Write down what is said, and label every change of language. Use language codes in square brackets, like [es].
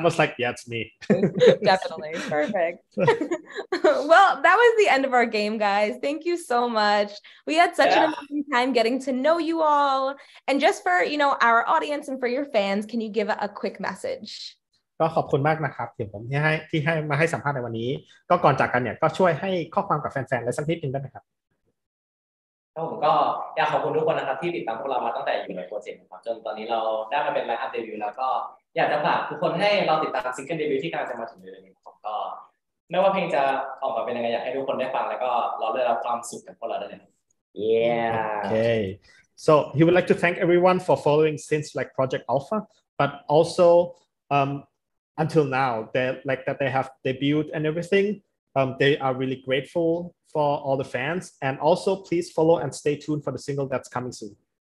[th] มาสัก [en] yeah it's me definitely perfect well that was the end of our game guys thank you so much we had such an amazing time getting to know you all and just for you know our audience and for your fans can you give a quick message [th] ก็ขอบคุณมากนะครับที่ให้มาให้สัมภาษณ์ในวันนี้ก็ก่อนจากกันเนี่ยก็ช่วยให้ข้อความกับแฟนๆและสักนิดนึงได้ไหมครับ ผมก็อยากขอบคุณทุกคนนะครับที่ติดตามพวกเรามาตั้งแต่อยู่ในโปรเจกต์ของเราจนตอนนี้เราได้มาเป็นไลฟ์อัพเดบิวต์แล้วก็อยากจะฝากทุกคนให้เราติดตามซิงเกิลเดบิวต์ที่กำลังจะมาถึงในเดือนนี้ผมก็ไม่ว่าเพลงจะออกมาเป็นยังไงอยากให้ทุกคนได้ฟังแล้วก็รอได้รับความสุขกับพวกเราด้วยนะ [en] Yeah Okay So he would like to thank everyone for following since like Project Alpha but also until now that they have debuted and everythingthey are really grateful for all the fans. And also, please follow and stay tuned for the single that's coming soon.